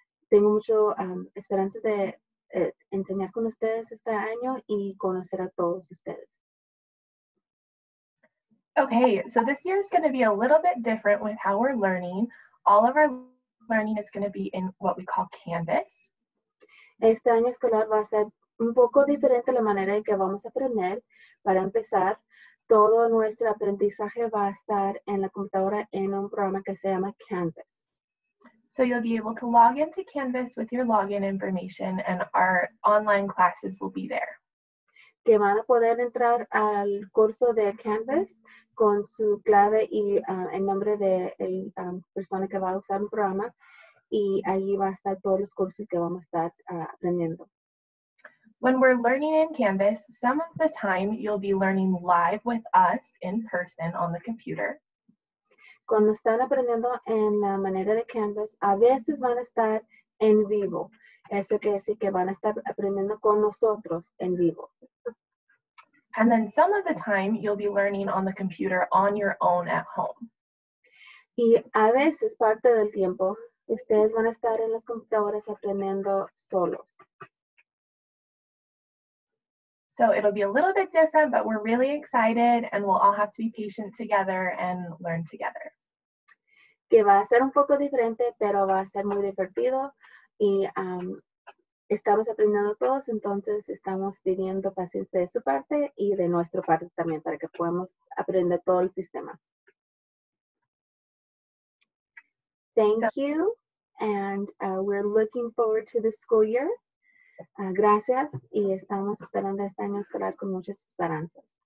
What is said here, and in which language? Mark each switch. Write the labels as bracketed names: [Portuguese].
[Spanish] Tengo mucho esperanza de enseñar con ustedes este año y conocer a todos ustedes. [English] Okay, so this year is going to be a little bit different with how we're learning. All of our learning is going to be in what we call Canvas. [Spanish] Este año escolar va a ser un poco diferente la manera en que vamos a aprender. Para empezar, todo nuestro aprendizaje va a estar en la computadora en un programa que se llama Canvas. [English] So you'll be able to log into Canvas with your login information and our online classes will be there. [Spanish] Que van a poder entrar al curso de Canvas con su clave y el nombre de la persona que va a usar el programa y allí va a estar todos los cursos que vamos a estar aprendiendo. [English] When we're learning in Canvas, some of the time you'll be learning live with us in person on the computer. [Spanish] Cuando están aprendiendo en la manera de Canvas, a veces van a estar en vivo. Eso quiere decir que van a estar aprendiendo con nosotros en vivo. [English] And then some of the time you'll be learning on the computer on your own at home. [Spanish] Y a veces, parte del tiempo, ustedes van a estar en las computadoras aprendiendo solos. [English] So it'll be a little bit different, but we're really excited and we'll all have to be patient together and learn together. [Spanish] Que va a ser un poco diferente, pero va a ser muy divertido. Y estamos aprendiendo todos, entonces estamos pidiendo paciencia de su parte y de nuestra parte también para que podamos aprender todo el sistema. [English] Thank you, and we're looking forward to the school year. [Spanish] Gracias y estamos esperando este año escolar con muchas esperanzas.